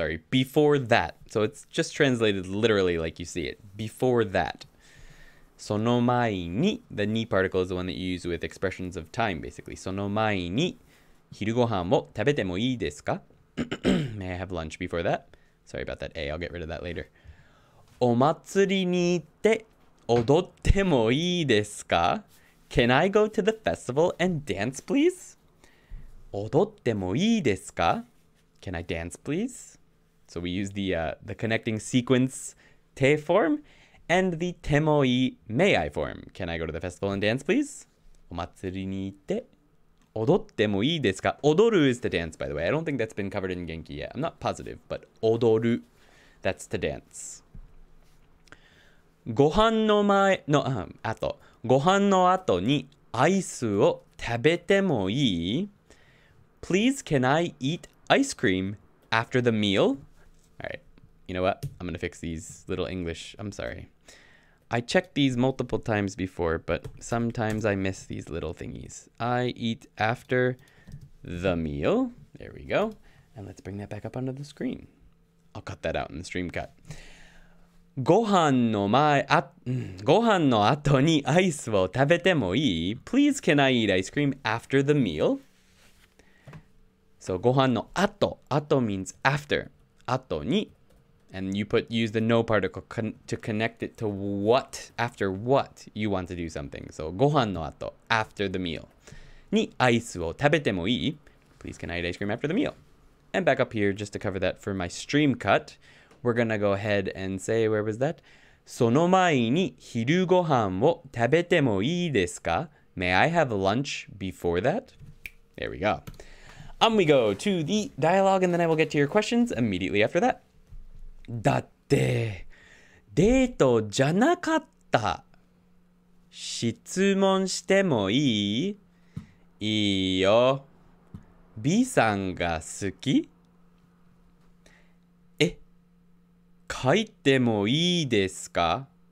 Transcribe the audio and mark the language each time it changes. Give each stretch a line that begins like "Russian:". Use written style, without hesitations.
English: Before that. So it's just translated literally like you see it. Before that.
Japanese: その前に,
English: the ni particle is the one that you use with expressions of time, basically.
Japanese: その前に昼ご飯を食べてもいいですか?
English: May I have lunch before that? Sorry about that A, I'll get rid of that later.
Japanese: お祭りに行って踊ってもいいですか?
English: Can I go to the festival and dance, please?
Japanese: 踊ってもいいですか?
English: Can I dance, please? So we use the connecting sequence te form and the te mo ii may I form. Can I go to the festival and dance, please?
Japanese: お祭りに行って踊ってもいいですか?
English: 踊る is to dance, by the way. I don't think that's been covered in Genki yet. I'm not positive, but 踊る, that's to dance.
Japanese: ご飯の前の、あと、ご飯の後にアイスを食べてもいい?
English: Please, can I eat ice cream after the meal? Alright, you know what? I'm gonna fix these little English. I'm sorry. I checked these multiple times before, but sometimes I miss these little thingies. I eat after the meal. There we go. And let's bring that back up onto the screen. I'll cut that out in the stream cut.
Japanese: ご飯の後にアイスを食べてもいい?
English: Please, can I eat ice cream after the meal? So,
Japanese: ご飯の後
English: means after.
Japanese: 後に
English: And use the no particle to connect it to what, after what you want to do something. So,
Japanese: ご飯の後
English: after the meal.
Japanese: にアイスを食べてもいい?
English: Please, can I eat ice cream after the meal? And back up here, just to cover that for my stream cut, we're going to go ahead and say, where was that?
Japanese: その前に昼ご飯を食べてもいいですか?
English: May I have lunch before that? There we go. We go to the dialogue, and then I will get to your questions immediately after that.
Japanese: だって、デートじゃなかった。質問してもいい? いいよ。 B さんが好き? え、書いてもいいですか?